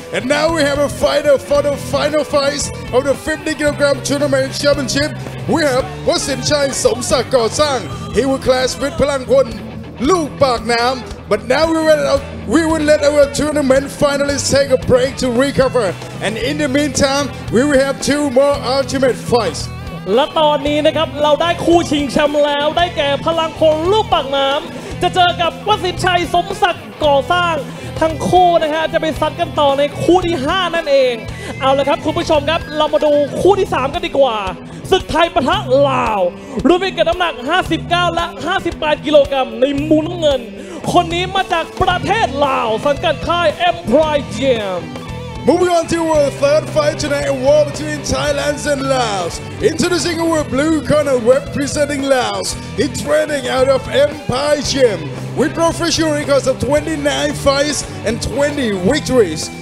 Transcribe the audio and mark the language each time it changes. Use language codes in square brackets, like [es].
[en] And now we have a fighter for the final fights of the 50kg tournament championship. We have Wasin Chai Somsak Ko Sang. He will clash with Phalang Pun Luk Pak Nam. But now we will let our tournament finalists take a break to recover. And in the meantime, we will have two more ultimate fights. [th] และตอนนี้นะครับเราได้คู่ชิงแชมป์แล้วได้แก่พลังคนลูกปากน้ำจะเจอกับวสินชัยสมศักดิ์ก่อสร้างทั้งคู่นะฮะจะไปซัดกันต่อในคู่ที่5นั่นเองเอาละครับคุณผู้ชมครับเรามาดูคู่ที่3กันดีกว่าศึกไทยปะทะลาวรุ่นพิกัดน้ำหนัก59และ58กิโลกรัมในมุมน้ำเงินคนนี้มาจากประเทศลาวสังกัดค่ายเอ็มพรายเจม [en] Moving on to our third fight tonight, a war between Thailand and Laos. Introducing our blue corner representing Laos, he's training out of Empire Gym with professional records of 29 fights and 20 victories.